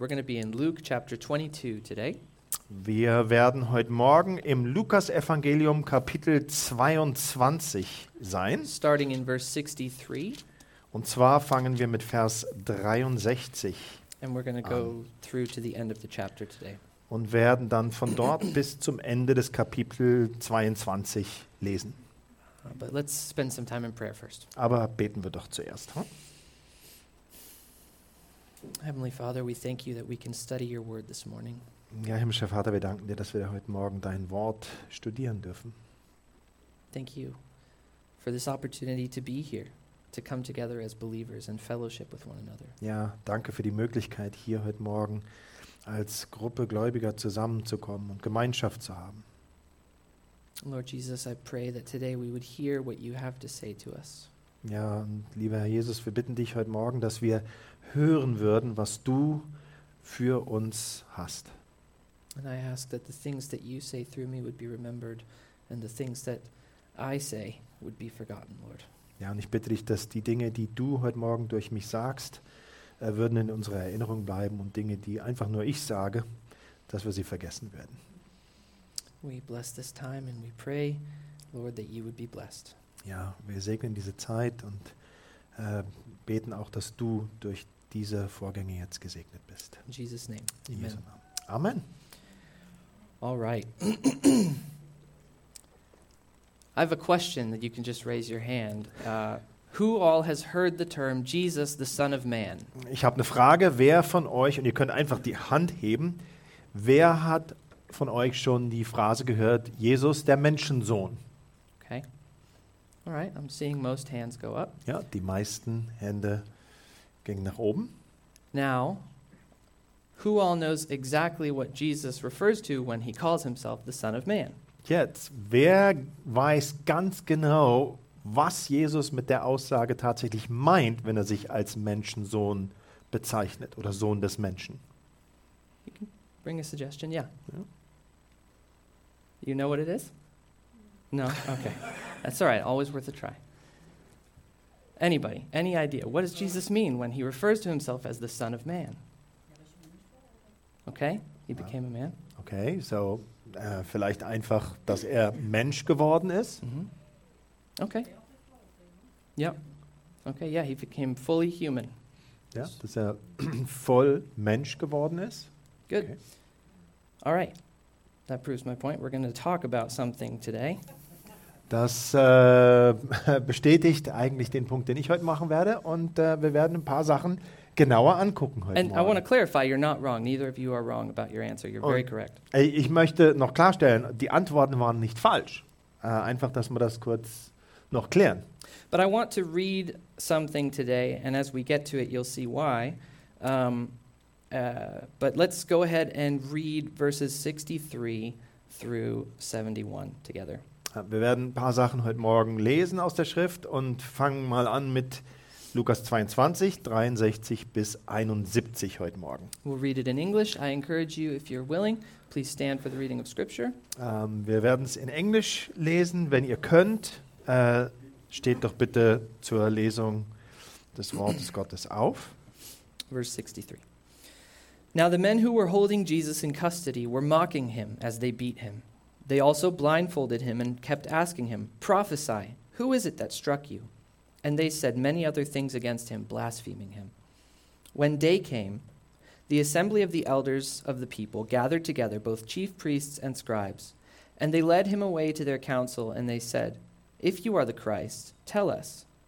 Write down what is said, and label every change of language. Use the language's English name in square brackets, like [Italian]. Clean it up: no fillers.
[English] We're going to be in Luke chapter 22 today. [German] Wir werden heute Morgen im Lukas-Evangelium Kapitel 22 sein. [English] Starting in verse 63. [German] Und zwar fangen wir mit Vers 63 an. [English] And we're going to go through to the end of the chapter today. [German] Und werden dann von dort bis zum Ende des Kapitel 22 lesen. [English] But let's spend some time in prayer first. [German] Aber beten wir doch zuerst, huh? [English] Heavenly Father, we thank you that we can study your word this morning. [German] Ja, himmlischer Vater, wir danken dir, dass wir heute Morgen dein Wort studieren dürfen. [English] Thank you for this opportunity to be here, to come together as believers and fellowship with one another. [German] Ja, danke für die Möglichkeit, hier heute Morgen als Gruppe Gläubiger zusammenzukommen und Gemeinschaft zu haben. [English] Lord Jesus, I pray that today we would hear what you have to say to us. [German] Ja, und lieber Herr Jesus, wir bitten dich heute Morgen, dass wir hören würden, was du für uns hast. [English] And I ask that the things that you say through me would be remembered and the things that I say would be forgotten, Lord. [German] Ja, und ich bitte dich, dass die Dinge, die du heute Morgen durch mich sagst, würden in unserer Erinnerung bleiben und Dinge, die einfach nur ich sage, dass wir sie vergessen werden. [English] We bless this time and we pray, Lord, that you would be blessed. [German] Ja, wir segnen diese Zeit und beten auch, dass du durch diese Vorgänge jetzt gesegnet bist. [English] In Jesus' name. [German] In Jesu Namen. Amen. [English] All right. I have a question that you can just raise your hand. Who all has heard the term Jesus, the Son of Man? [German] Ich habe eine Frage. Wer von euch, und ihr könnt einfach die Hand heben, wer hat von euch schon die Phrase gehört, Jesus, der Menschensohn? [English] Okay. All right, I'm seeing most hands go up. [German] Ja, die meisten Hände gingen nach oben. [English] Now, who all knows exactly what Jesus refers to when he calls himself the Son of Man? [German] Jetzt, wer weiß ganz genau, was Jesus mit der Aussage tatsächlich meint, wenn er sich als Menschensohn bezeichnet oder Sohn des Menschen? [English] You can bring a suggestion, yeah. You know what it is? No? Okay. That's all right. Always worth a try. Anybody? Any idea? What does Jesus mean when he refers to himself as the Son of Man? Okay. He became a man. Okay. [German] So, vielleicht einfach, dass er Mensch geworden ist. [English] Mm-hmm. Okay. Yep. Okay. Yeah, he became fully human. [German] Ja, dass er voll Mensch geworden ist. [English] Good. Okay. All right. That proves my point. We're going to talk about something today. [German] Das bestätigt eigentlich den Punkt, den ich heute machen werde. Und wir werden ein paar Sachen genauer angucken heute [English] And [German] Morgen. [English] I want to clarify, you're not wrong. Neither of you are wrong about your answer. You're very correct. [German] Ich möchte noch klarstellen, die Antworten waren nicht falsch. Einfach, dass wir das kurz noch klären. [English] But I want to read something today, and as we get to it, you'll see why. But let's go ahead and read verses 63 through 71 together. [German] Wir werden ein paar Sachen heute Morgen lesen aus der Schrift und fangen mal an mit Lukas 22, 63 bis 71 heute Morgen. [English] We'll read it in English. I encourage you, if you're willing, please stand for the reading of Scripture. [German] Wir werden es in Englisch lesen, wenn ihr könnt. Steht doch bitte zur Lesung des Wortes Gottes auf. [English] Verse 63. Now the men who were holding Jesus in custody were mocking him as they beat him. They also blindfolded him and kept asking him, "Prophesy, who is it that struck you?" And they said many other things against him, blaspheming him. When day came, the assembly of the elders of the people gathered together both chief priests and scribes, and they led him away to their council, and they said, "If you are the Christ, tell us."